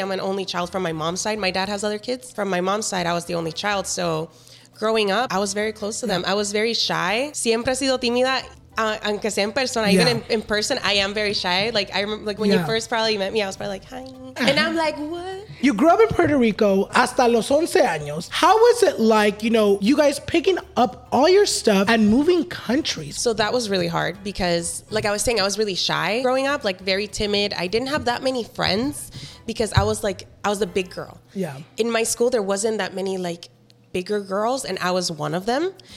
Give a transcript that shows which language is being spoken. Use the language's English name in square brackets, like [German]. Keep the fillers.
[English] I'm an only child from my mom's side. My dad has other kids. From my mom's side, I was the only child. So growing up, I was very close to them. I was very shy. [Spanish] Siempre he sido tímida. Uh, aunque sea en persona, [English] even Yeah. in, in person, I am very shy. Like I remember, like when Yeah. you first probably met me, I was probably like, "Hi," and I'm like, "What?" You grew up in Puerto Rico [Spanish] hasta los once años. [English] How was it like? You know, you guys picking up all your stuff and moving countries. So that was really hard because, like I was saying, I was really shy growing up, like very timid. I didn't have that many friends because I was like, I was a big girl. Yeah. In my school, there wasn't that many like bigger girls, and I was one of them.